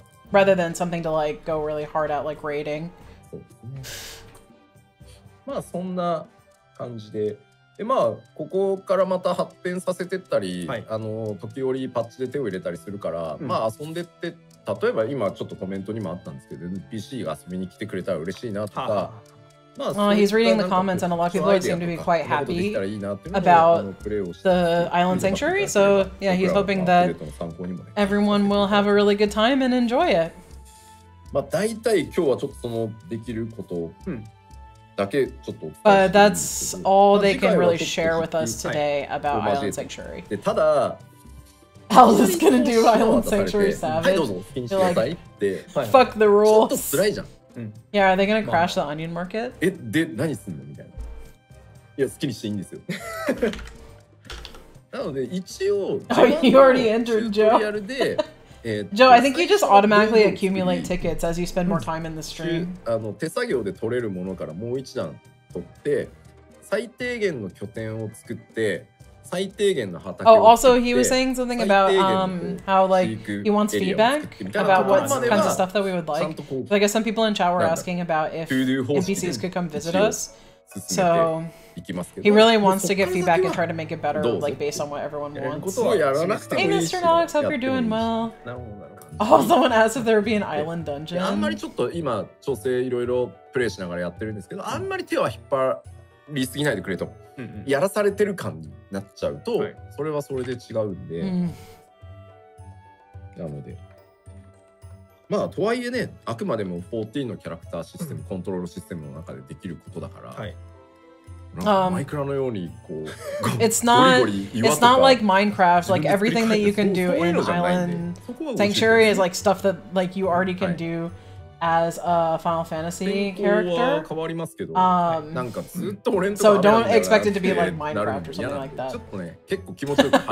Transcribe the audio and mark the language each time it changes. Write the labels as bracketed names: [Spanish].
[English] Rather than something to like go really hard at like raiding. [Japanese] まあそんな感じで。でまあここからまた発展させてったり、はい、あの時折パッチで手を入れたりするから、うん、まあ遊んでって例えば今ちょっとコメントにもあったんですけど NPC が遊びに来てくれたら嬉しいなとか。はあ [English] He's reading the comments and a lot of people seem to be quite happy about the Island Sanctuary. So yeah, he's hoping that everyone will have a really good time and enjoy it. [Japanese] まあ大体今日はちょっとそのできることだけちょっと。 [English] But that's all they can really share with us today about Island Sanctuary. [Japanese] でただ、 [English] How's this gonna do Island Sanctuary Savage? Like, fuck the rules. [Japanese] ちょっと辛いじゃん。 [English] Yeah, are they gonna crash the onion market? [Japanese] え、で、何すんのみたいな。いや、好きにしていいんですよ。なので、一応、 [English] Oh, you already entered, Joe. Joe, I think you just automatically accumulate tickets as you spend more time in the stream. [Japanese] あの、手作業で取れるものからもう一段取って、最低限の拠点を作って、最低限の畑を作って、 [English] Oh, also, he was saying something about, how, like, he wants feedback about what kinds of stuff that we would like. So, I guess some people in chat were asking about if NPCs could come visit us. So, he really wants to get feedback and try to make it better, like, based on what everyone wants. Hey, Mr. Nox, hope you're doing well. Oh, someone asked if there would be an island dungeon. [Japanese] あんまりちょっと今、調整いろいろプレイしながらやってるんですけど、あんまり手は引っ張りすぎないでくれと。やらされてる感になっちゃうと、はい、それはそれで違うんで、うん、なのでまあとはいえねあくまでも14のキャラクターシステム、うん、コントロールシステムの中でできることだから、はい、なんかマイクラのようにこう [English] It's not It's not like Minecraft like everything that you can do in Island Sanctuary is like stuff that like you already can do、はいAs a Final Fantasy character, so don't expect it to be like Minecraft or something like that.